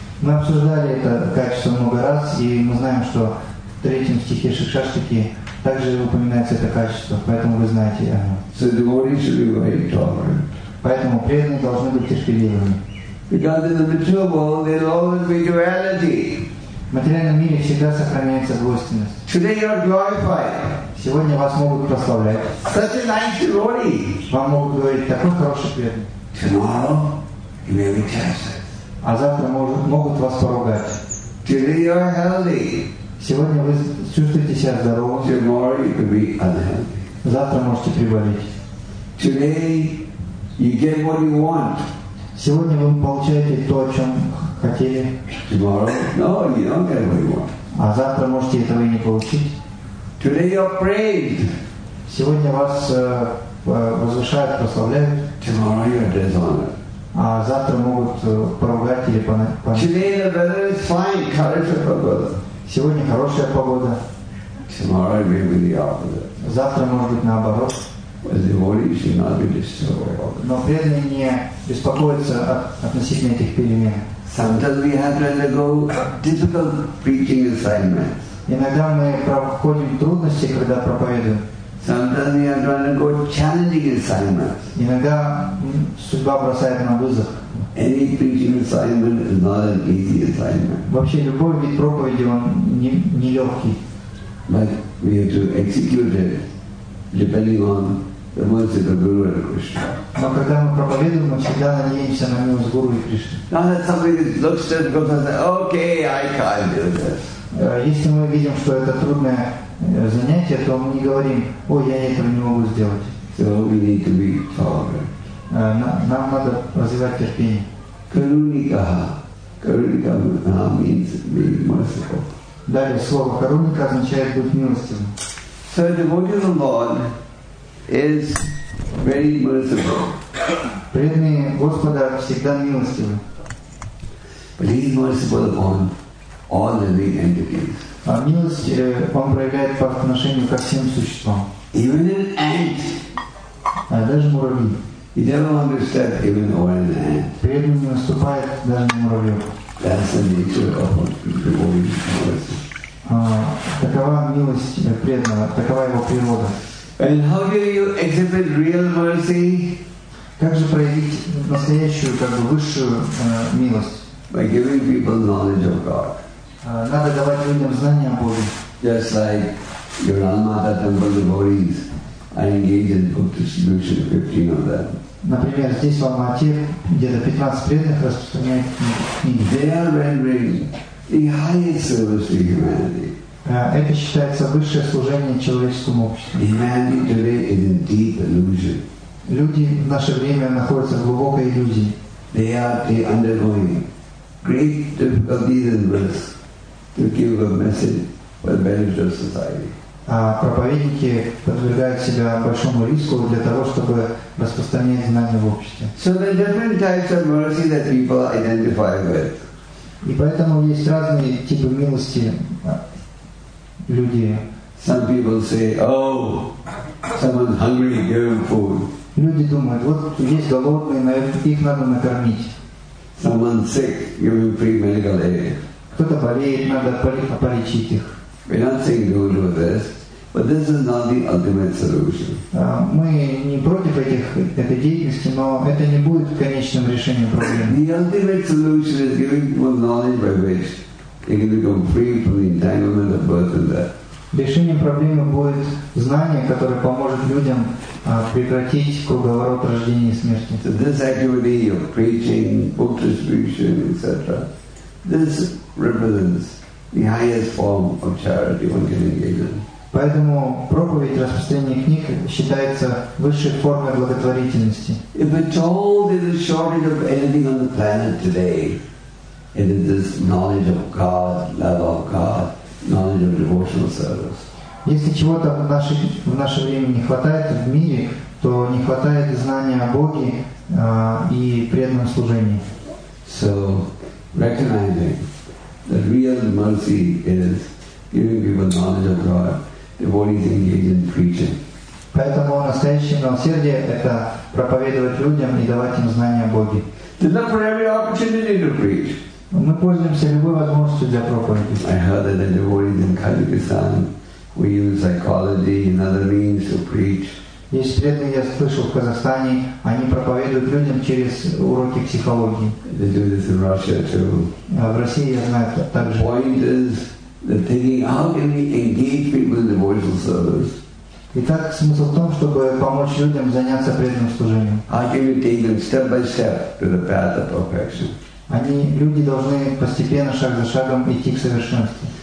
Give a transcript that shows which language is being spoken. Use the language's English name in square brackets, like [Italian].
[Russian] Мы обсуждали это качество много раз, и мы знаем, что в третьем стихе Шикшаштаки также упоминается это качество, поэтому вы знаете о нем. [English] So devotees should be very tolerant. [Russian] Поэтому преданные должны быть терпеливыми. [English] Because in the material world there will always be duality. [Russian] В материальном мире всегда сохраняется двойственность. [English] Today you are glorified. [Russian] Сегодня вас могут прославлять. [English] Such a nice devotee. [Russian] Вам могут говорить, такой хороший преданный. [English] Tomorrow you may be tested. [Russian] А завтра могут вас поругать. [English] Today you are healthy. [Russian] Сегодня вы чувствуете себя здоровым. [English] Tomorrow you could be unhealthy. [Russian] Завтра можете приболеть. [English] Today you get what you want. [Russian] Сегодня вы получаете то, о чем хотели. [English] Tomorrow, no, you don't get what you want. [Russian] А завтра можете этого и не получить. [English] Today you're praised. [Russian] Сегодня вас возвышают, прославляют. [English] Tomorrow you're dishonored. [Russian] А завтра могут поругать или [English] Today the weather is fine, [Russian] хорошая погода. Сегодня хорошая погода. [English] Tomorrow may be the opposite. [Russian] Завтра может быть наоборот. Но преданные не беспокоятся относительно этих перемен. [English] Sometimes we have to undergo difficult preaching assignments. [Russian] Иногда мы проходим трудности, когда проповедуем. [English] Sometimes we have to undergo challenging assignments. [Russian] Иногда судьба бросает нам вызов. [English] Any preaching assignment is not an easy assignment. [Russian] Вообще любой вид проповеди он не легкий. [English] But we have to execute it depending on the words of the Guru and Krishna. [Russian] Но когда мы проповедуем, мы всегда надеемся на милость Гуру и Кришны. [English] Now that somebody looks at it and goes, okay, I can't do this. [Russian] Если мы видим, что это трудное занятие, то мы не говорим, ой, я этого не могу сделать. [English] So we need to be tolerant. [Russian] Нам надо развивать терпение. [Sanskrit] Karunika. [English] Karunika means being merciful. [Russian] Далее слово karunika означает быть милостивым. [English] So the devotee of the Lord is very merciful. [Russian] Преданный Господа всегда милостивый. [English] But he is merciful upon all living entities. [Russian] А милость он проявляет по отношению ко всем существам. [English] Even an ant. [Russian] А даже муравьи. [English] He never understood even an ant. [Russian] Преданный не уступает даже не муравьи. [English] That's the nature of the Lord's mercy. [Russian] Такова милость преданного, такова его природа. [English] And how do you exhibit real mercy? [Russian] Как же проявить настоящую, как бы высшую милость? [English] By giving people knowledge of God. [Russian] Надо давать людям знания о Боге. [English] Just like your Almada temple devotees, I engage in book distribution 15 of them. [Russian] Например, здесь в Алмате где-то 15 преданных распространяют книги. [English] They are rendering the highest service to humanity. [Russian] Это считается высшее служение человеческому обществу. Люди в наше время находятся в глубокой иллюзии. [English] They are undergoing great difficulties in this to give a message for the benefit of society. [Russian] А проповедники подвергают себя большому риску для того, чтобы распространять знания в обществе. [English] So there are different types of mercy that people identify with. [Russian] И поэтому есть разные типы милости. Люди. [English] Some people say, oh, someone's hungry, give him food. [Russian] Люди думают, вот есть голодные, их надо накормить. [English] Someone's sick, give him free medical aid. [Russian] Кто-то болеет, надо полечить их. [English] We're not saying no to this, but this is not the ultimate solution. [Russian] Мы не против этой деятельности, но это не будет конечным решением проблемы. [English] The ultimate solution is giving people knowledge by which they can become free from the entanglement of birth and death. [Russian] Решением проблемы будет знание, которое поможет людям прекратить круговорот рождения и смерти. [English] So this activity of preaching, book distribution, etc., this represents the highest form of charity one can engage in. [Russian] Поэтому проповедь распространения книг считается высшей формой благотворительности. [English] If at all there is a shortage of anything on the planet today, it is this knowledge of God, love of God, knowledge of devotional service. [Russian] Если чего-то в наше время не хватает в мире, то не хватает знания о Боге и преданном служении. [English] So, recognizing that real mercy is giving people knowledge of God, devotees engaged in preaching. [Russian] Поэтому настоящее милосердие — это проповедовать людям и давать им знания о Боге. [English] To look for every opportunity to preach. [Russian] Мы пользуемся любой возможностью для проповеди. [English] I heard that the devotees in Kazakhstan we use psychology and other means to preach. [Russian] Есть преданные, я слышал, в Казахстане, они проповедуют людям через уроки психологии. [English] They do this in Russia too. [Russian] А в России, я знаю, так же. [English] Point is the thinking, how can we engage people in devotional service? [Russian] Итак, смысл в том, чтобы помочь людям заняться преданным служением. [English] How can we take them step by step to the path of perfection? [Russian] Они, люди должны постепенно, шаг за шагом, идти к совершенству.